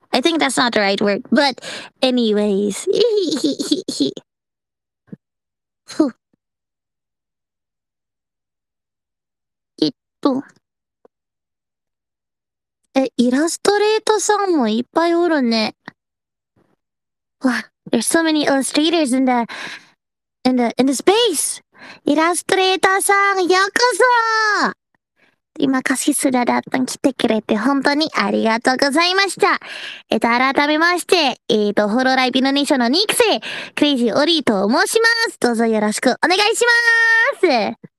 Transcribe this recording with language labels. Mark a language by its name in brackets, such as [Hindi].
[English] I think that's not the right word. But anyways. ひひひひひ。ふ。 [Japanese] イラストレートさんもいっぱいおるね。 [English] わ、there's so many illustrators in the space! [Japanese] イラストレーターさん、ようこそ!今、かしすらだったん来てくれて本当にありがとうございました。改めまして、ホロライピの2章の2期生、クレイジーオリーと申します。どうぞよろしくお願いしまーす!